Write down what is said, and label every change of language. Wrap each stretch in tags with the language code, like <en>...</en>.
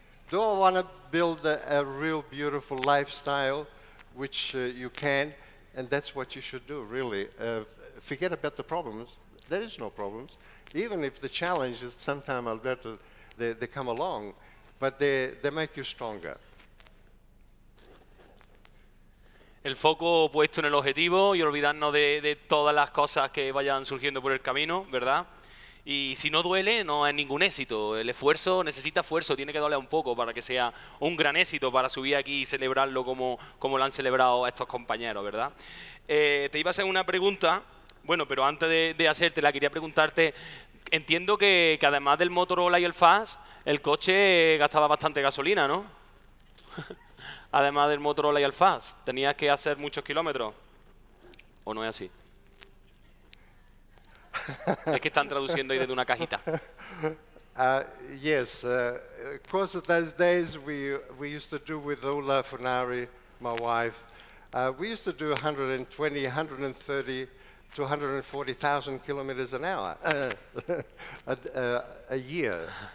<en>Do I want to build a real beautiful lifestyle, which you can? And that's what you should do, really. Forget about the problems. There is no problems. Even if the challenge is sometime, Alberto, they come along, but they make you stronger.</en> <es>El foco puesto en el objetivo y olvidarnos de todas las cosas que vayan surgiendo por el camino, ¿verdad? Y si no duele, no es ningún éxito. El esfuerzo necesita esfuerzo, tiene que doler un poco para que sea un gran éxito, para subir aquí y celebrarlo como lo han celebrado estos compañeros, ¿verdad? Te iba a hacer una pregunta, bueno, pero antes de hacértela, quería preguntarte, entiendo que además del Motorola y el FAS, el coche gastaba bastante gasolina, ¿no? Además del Motorola y el FAS, ¿tenías que hacer muchos kilómetros? ¿O no es así? Es que están traduciendo ahí desde una cajita.</es> <en>Yes, of course, those days we used to do with Ola Furnari, my wife. We used to do 120, 130 to 140,000 kilometers an hour, a year.</en>